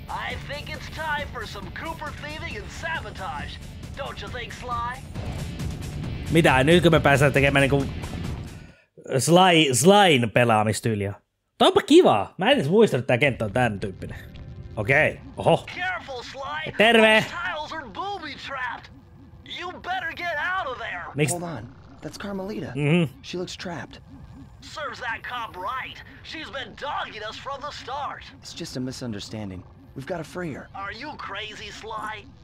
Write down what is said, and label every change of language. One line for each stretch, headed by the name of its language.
English: I think it's time for some Cooper thieving and sabotage. Don't you think, Sly? Mitä?
Finnish: Nytkö me päästään tekemään niinku Slyn pelaamistyyliä? Tää onpa kiva. Mä en edes muista, että tää kenttä on tän tyyppinen. Okei. Okay. Oho.
English: Careful, Sly.
Finnish: Terve.
English: Tiles are booby trapped. You better get out of there. Hold on. That's Carmelita. She looks trapped. Serves that cop right. She's been dogging us from the start. It's just a misunderstanding. We've got to free her. Are you crazy, Sly?